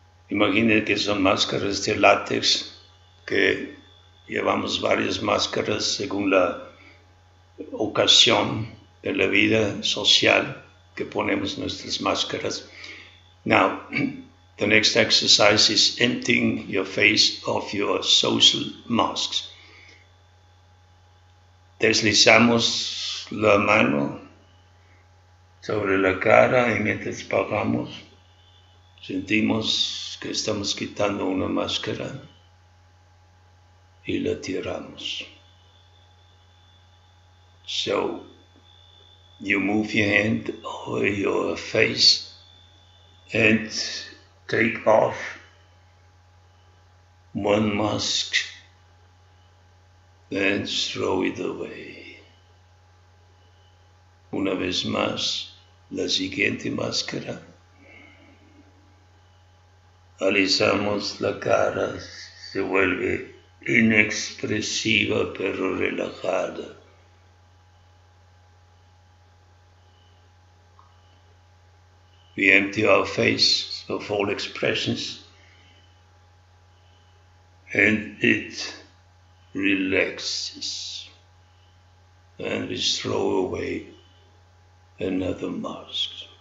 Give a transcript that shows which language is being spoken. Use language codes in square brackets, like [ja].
[es] Imaginen que son máscaras de látex, que llevamos varias máscaras según la ocasión de la vida social, que ponemos nuestras máscaras. [en] Now, the next exercise is emptying your face of your social masks. [es] Deslizamos la mano sobre la cara y mientras bajamos, sentimos que estamos quitando una máscara y la tiramos. [en] So, you move your hand over your face and take off one mask, then throw it away. [es] Una vez más, la siguiente máscara. Alisamos la cara, se vuelve inexpresiva pero relajada. [en] We empty our face of all expressions and it relaxes. And we throw away another mask.